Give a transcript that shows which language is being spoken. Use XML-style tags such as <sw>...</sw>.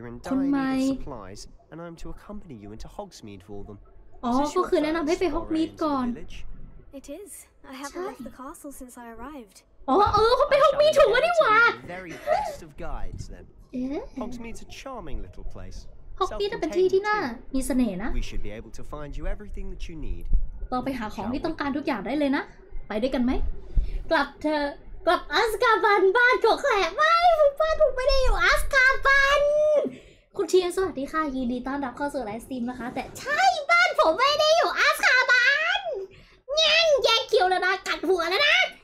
<en>คุณไมค์ and I'm to accompany you into Hogsmeade for them.</en> <th>ก็คือแนะนำให้ไปฮอกมีดก่อน</th> <en>It is. I have left the castle since I arrived.</en> <th>คุณไปฮอกมีดถูกแล้วนี่หว่า</th> <en>Very best of guides then. Hogsmeade's a charming little place.</en> <th>ฮอกมีดเป็นที่ที่น่ามีเสน่ห์นะ</th> <en>We should be able to find you everything that you need.</en> <th>เราไปหาของที่ต้องการทุกอย่างได้เลยนะไปด้วยกันไหมกลับเธอกลับอัสคาบันบ้านก็แขกไม่ผมบ้านผมไม่ได้อยู่อัสคาบันคุณเทียนสวัสดีค่ะยินดีต้อนรับเข้าสู่ไลฟ์สตรีมนะคะแต่ใช่บ้านผมไม่ได้อยู่อัสคาบันแง่งแย่คิวแล้วนะกัดหัวแล้วนะ</th>